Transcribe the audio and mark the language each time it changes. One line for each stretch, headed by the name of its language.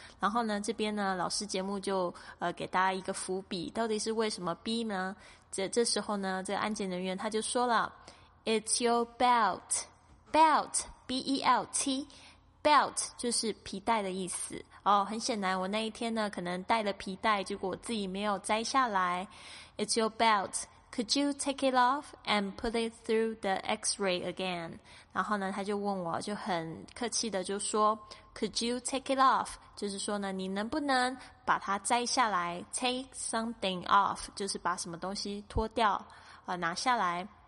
Chinese: 然后呢这边呢老师节目就给大家一个伏笔，到底是为什么逼呢？这时候呢这个安检人员他就说了
English: It's your belt.
Chinese: Belt B-E-L-T Belt 就是皮带的意思哦，很显然我那一天呢可能带了皮带，结果我自己没有摘下来。
English: It's your belt. Could you take it off and put it through the x-ray again?
Chinese: 然后呢他就问我，就很客气的就说
English: Could you take it off?
Chinese: 就是说呢你能不能把它摘下来， Take something off 就是把什么东西脱掉拿下来。